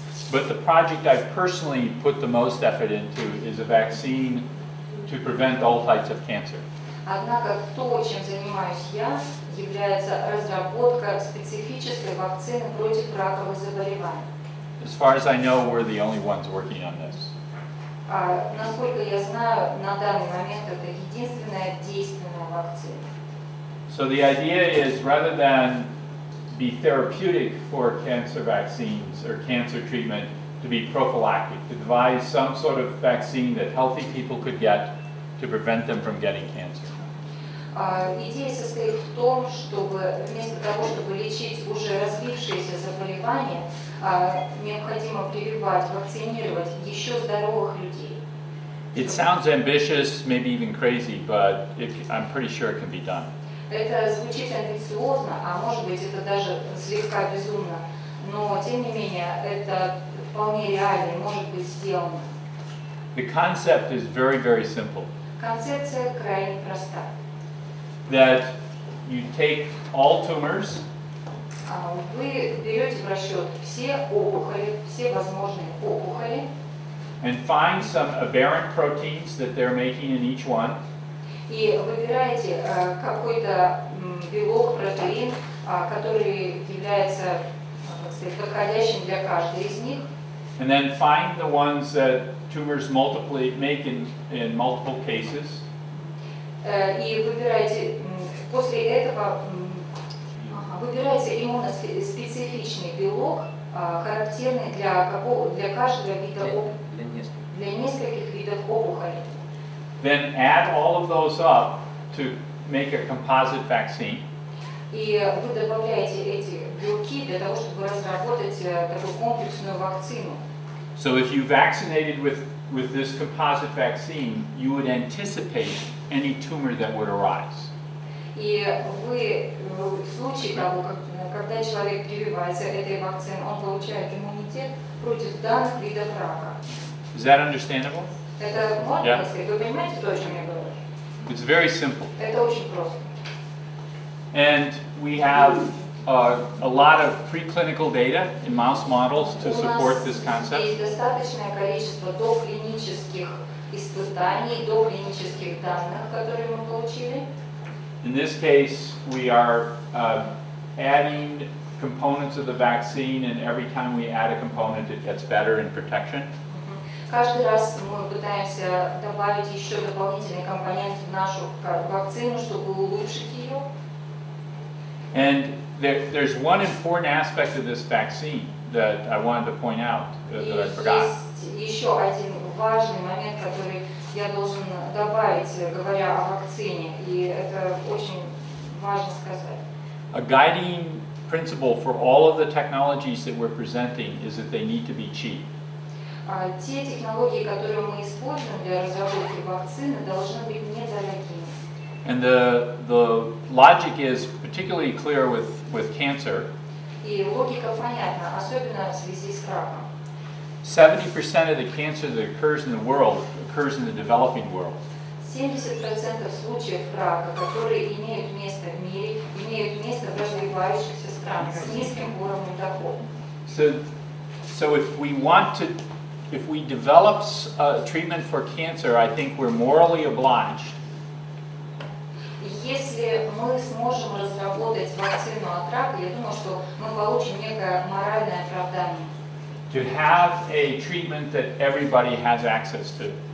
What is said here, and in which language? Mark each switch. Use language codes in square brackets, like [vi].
[en] But the project I personally put the most effort into is a vaccine to prevent all types of cancer. [ru] Однако то, чем занимаюсь я, является разработка специфической вакцины против раковых заболеваний. [en] As far as I know, we're the only ones working on this. [ru] Насколько я знаю, на данный момент это единственная действенная вакцина. [en] So the idea is rather than be therapeutic for cancer vaccines or cancer treatment, to be prophylactic, to devise some sort of vaccine that healthy people could get to prevent them from getting cancer. [ru] Идея состоит в том, чтобы вместо того, чтобы лечить уже развившиеся заболевания, необходимо прививать, вакцинировать еще здоровых людей. [en] It sounds ambitious, maybe even crazy, but I'm pretty sure it can be done. [ru] Это звучит амбициозно, а может быть это даже слегка безумно, но тем не менее это вполне реально и может быть сделано. [en] The concept is very, very simple. [ru] Концепция крайне проста. [en] That you take all tumors. [ru] Вы берете в расчет все опухоли, все возможные опухоли. [en] And find some aberrant proteins that they're making in each one. [ru] И выбираете какой-то белок, протеин, который является, так сказать, подходящим для каждой из них. [en] And then find the ones that tumors multiply make in multiple cases. [ru] И выбираете после этого выбираете иммуноспецифичный белок, характерный для какого для каждого вида для нескольких видов опухоли. [en] Then add all of those up to make a composite vaccine. [ru] И вы добавляете эти белки для того, чтобы разработать такую комплексную вакцину. [en] So if you vaccinated with this composite vaccine, you would anticipate any tumor that would arise. [ru] И вы в случае того, когда человек прививается этой вакциной, он получает иммунитет против данных видов рака. [en] Is that understandable? [ru] Это можно сказать. Вы понимаете, то, о чем я говорю? [en] It's very simple. [ru] Это очень просто. [en] And we have a lot of preclinical data in mouse models to support this concept. [ru] У нас есть достаточное количество доклинических испытаний, доклинических данных, которые мы получили. [en] In this case, we are adding components of the vaccine, and every time we add a component, it gets better in protection. [ru] Каждый раз мы пытаемся добавить еще дополнительный компонент в нашу вакцину, чтобы улучшить ее. [en] And there's one important aspect of this vaccine that I wanted to point out that I forgot. [ru] Есть еще один важный момент, который я должен добавить, говоря о вакцине, и это очень важно сказать. [en] A guiding principle for all of the technologies that we're presenting is that they need to be cheap. [ru] Те технологии, которые мы используем для разработки вакцины, должны быть недорогими. [en] And the logic is particularly clear with cancer. [ru] И логика понятна, особенно в связи с раком. [en] 70% of the cancer that occurs in the world occurs in the developing world. [ru] 70% случаев рака, которые имеют место в мире, имеют место в развивающихся странах с низким уровнем дохода. [en] So if we want to, if we develop a treatment for cancer, I think we're morally obliged. [ru] Если мы сможем разработать вакцину от рака, я думаю, что мы получим некое моральное оправдание. [en] To have a treatment that everybody has access to.